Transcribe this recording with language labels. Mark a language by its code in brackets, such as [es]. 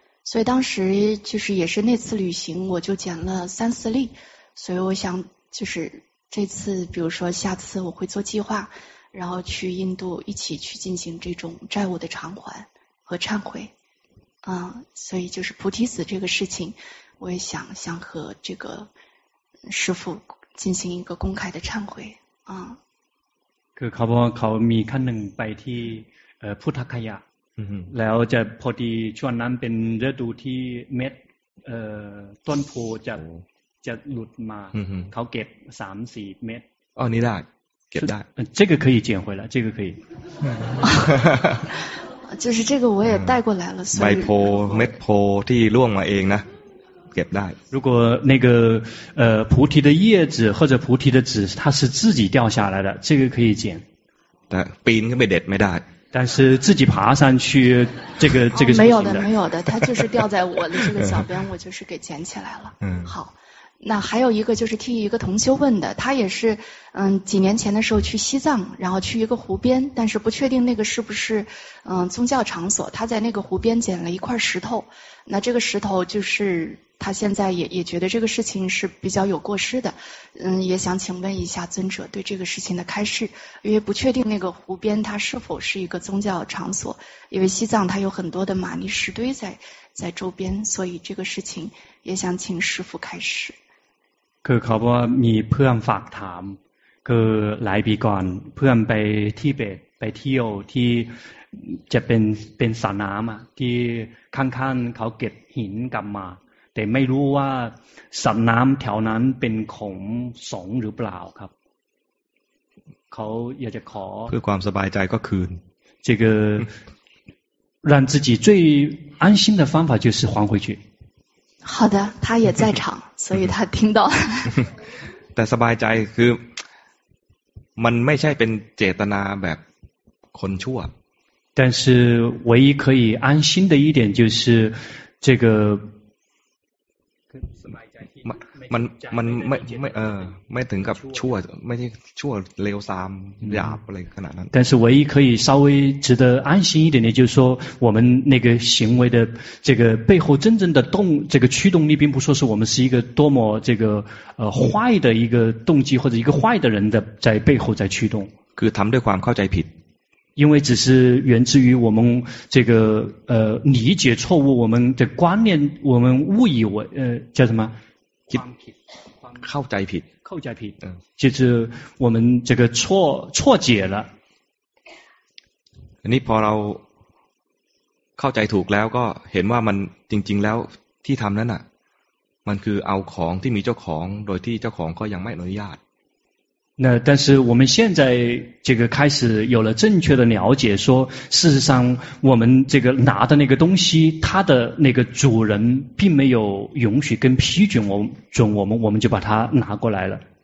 [zh] 所以当时就是也是那次旅行我就捡了三四粒所以我想就是这次比如说下次我会做计划然后去印度一起去进行这种债务的偿还和忏悔所以就是菩提子这个事情我也想和这个师父进行一个公开的忏悔 [th] คือเขาบอกว่าเขามีขั้นหนึ่งไปที่พุทธคยะแล้วจะพอดีช่วงนั้นเป็นฤดูที่เม็ดต้นโพจะหลุดมาเขาเก็บ 3-4 เม็ด อ๋อนี่ได้เก็บได้ [zh] 这个可以捡回来这个可以就是这个我也带过来了，所以 [th] ใบโพเม็ดโพที่ร่วงมาเองนะเก็บได้ [zh] 如果那个菩提的叶子或者菩提的籽它是自己掉下来的这个可以捡 [th] แต่ปีนขึ้นไปเด็ดไม่ได้ [zh] 但是自己爬上去这个没有的没有的它就是掉在我的这个小边我就是给捡起来了好那还有一个就是替一个同修问的他也是几年前的时候去西藏然后去一个湖边但是不确定那个是不是宗教场所他在那个湖边捡了一块石头那这个石头就是他现在也觉得这个事情是比较有过失的也想请问一下尊者对这个事情的开示因为不确定那个湖边它是否是一个宗教场所因为西藏它有很多的玛尼石堆在周边所以这个事情也想请师父开示 [th] คือเขาบอกว่ามีเพื่อนฝากถามคือหลายปีก่อนเพื่อนไปทิเบตไปเที่ยวที่จะเป็นสระน้ำที่ข้างๆเขาเก็บหินกลับมาแต่ไม่รู้ว่าสระน้ำแถวนั้นเป็นของสงฆ์หรือเปล่าครับเขาอยากจะขอ เพื่อความสบายใจก็คืน [zh] 这个让自己最安心的方法就是还回去好的他也在场所以他听到 [th] แต่สบายใจคือมันไม่ใช่เป็นเจตนาแบบคนชั่ว [zh] 但是唯一可以安心的一点就是这个 [th] มันไม่ถึงกับชั่วไม่ใช่ชั่วเลวซามหยาบอะไรขนาดนั้น [zh] 但是唯一可以稍微值得安心一点的就是说我们那个行为的这个背后真正的动这个驱动力并不说是我们是一个多么这个坏的一个动机或者一个坏的人的在背后在驱动 [th] คือทำด้วยความเข้าใจผิด [zh] 因为只是源自于我们这个理解错误我们的观念我们误以为叫什么靠宅品靠宅品就是我们这个错解了 [th] นี่พอเราเข้าใจถูกแล้วก็เห็นว่ามันจริงๆแล้วที่ทำนั้นอ่ะมันคือเอาของที่มีเจ้าของโดยที่เจ้าของก็ยังไม่อนุญาต [zh] 那但是我们现在这个开始有了正确的了解说事实上我们这个拿的那个东西它的那个主人并没有允许跟批准我们就把它拿过来了